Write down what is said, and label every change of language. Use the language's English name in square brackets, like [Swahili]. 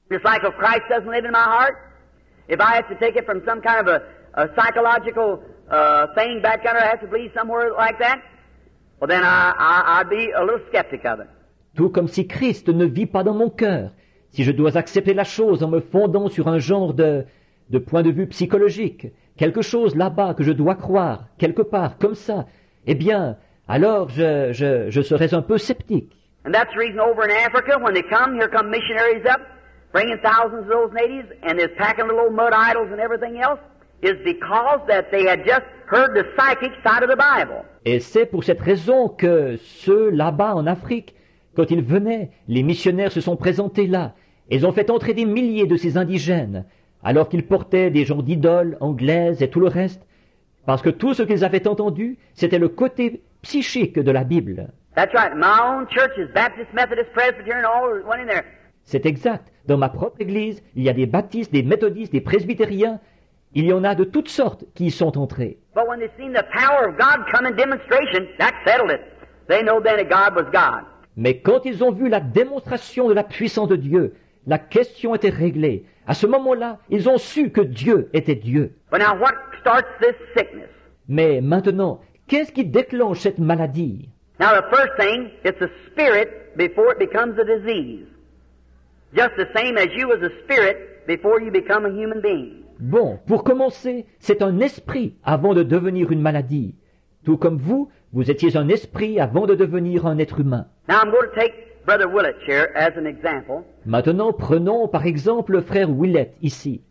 [English] Just like if Christ doesn't live in my heart, if I have to take it from some kind of a psychological thing, bad kind of, I have to believe somewhere like that, well then I'd be a little skeptic of it. [French] Tout comme si Christ ne vit pas dans mon cœur, si je dois accepter la chose en me fondant sur un genre de point de vue psychologique, quelque chose là-bas que je dois croire, quelque part, comme ça, eh bien, alors je serais un peu sceptique. [English] And that's the reason over in Africa, when they come, here come missionaries up, bringing thousands of those natives, and they're packing little mud idols and everything else, is because that they had just heard the psychic side of the Bible. [French] Et c'est pour cette raison que ceux là-bas en Afrique, quand ils venaient, les missionnaires se sont présentés là. Ils ont fait entrer des milliers de ces indigènes, alors qu'ils portaient des genres d'idoles anglaises et tout le reste, parce que tout ce qu'ils avaient entendu, c'était le côté psychique de la Bible. [English] That's right. My own church is Baptist, Methodist, Presbyterian, all went in there. [French] C'est exact. Dans ma propre église, il y a des baptistes, des méthodistes, des presbytériens. Il y en a de toutes sortes qui y sont entrés. [English] But when they've seen the power of God come in demonstration, that settled it. They know then that God was God. [French] Mais quand ils ont vu la démonstration de la puissance de Dieu, la question était réglée. À ce moment-là, ils ont su que Dieu était Dieu. [English] But now what starts this sickness? [French] Mais maintenant, qu'est-ce qui déclenche cette maladie? [English] Now the first thing, it's a spirit before it becomes a disease. Just the same as you as a spirit before you become a human being. [French] Bon, pour commencer, c'est un esprit avant de devenir une maladie. Tout comme vous, vous étiez un esprit avant de devenir un être humain. [English] Now I'm going to take Brother Willett here as an example. [French] Maintenant, prenons par exemple le frère Willett ici.